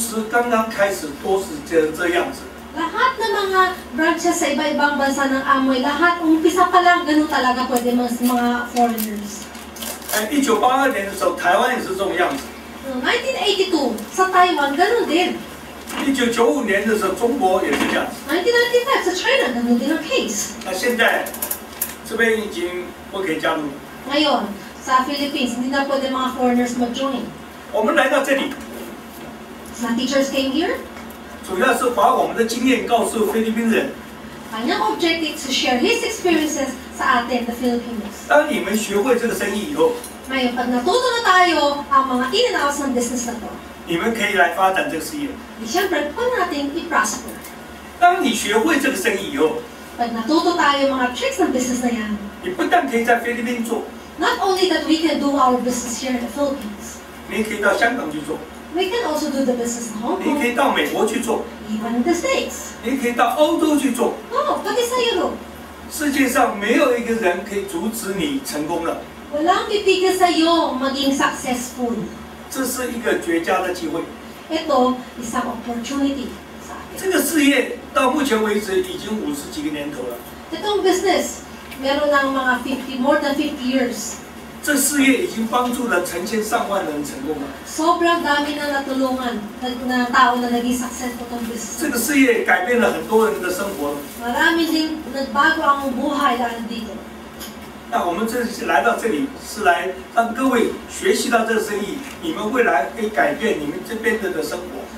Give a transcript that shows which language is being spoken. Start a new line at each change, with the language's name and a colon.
Chinese: 全世界所有的分公司刚刚开始都是这样子。
Filipino: Lahat ng mga branches sa iba-ibang bansa ng Amway, lahat umpisa pa lang, ganun talaga pwede mga foreigners.
Chinese: 1982年的时候, Taiwan 也是这种样子。
Filipino: 1982, sa Taiwan, ganun din.
Chinese: 1995年的时候, 中国也是这样子。
Filipino: 1995, sa China, ganun din ang case.
Chinese: 现在, 这边已经不可以加入了。
Filipino: Ngayon, sa Philippines, hindi na pwede mga foreigners mag-join.
Chinese: 我们来到这里。
English: Sa teachers came here?
Chinese: 主要是把我们的经验告诉菲律宾人。
Filipino: kanyang
English: objective to share his experiences
Filipino: sa atin,
English: the Filipinos.
Chinese: 当你们学会这个生意以后,
Filipino: 那yun, pag natuto na tayo ang mga
English: in and outs
Filipino: ng business na to,
Chinese: 你们可以来发展这个事业。
Filipino: Siyempre, pwede natin i-prosper.
Chinese: 当你学会这个生意以后,
Filipino: pag natuto tayo mga tricks ng business na yan,
Chinese: 你不但可以在菲律宾做,
English: not only that we can do our business here in the Philippines,
Chinese: 你可以到香港去做,
English: we can also do the business in Hong Kong,
Chinese: 你可以到美国去做,
English: even in the States,
Chinese: 你可以到欧洲去做, oh, 特别是在 Europe, 世界上没有一个人可以阻止你成功了,
Filipino: walang pipigil sa iyo maging successful,
Chinese: 这是一个绝佳的机会,
Filipino: ito isang opportunity sa atin.
Chinese: 这个事业到目前为止已经50几个年头了,
Filipino: itong business meron ng mga 50,
English: more than 50 years.
Chinese: 这事业已经帮助了成千上万人成功了。
Filipino: Sobrang dami na natulungan na tao na naging successful itong business.
Chinese: 这个事业改变了很多人的生活。
Filipino: Marami din nagbago ang buhay lalo dito.
Chinese: 那我们这次来到这里是来让各位学习到这个生意，你们未来可以改变你们这边的生活。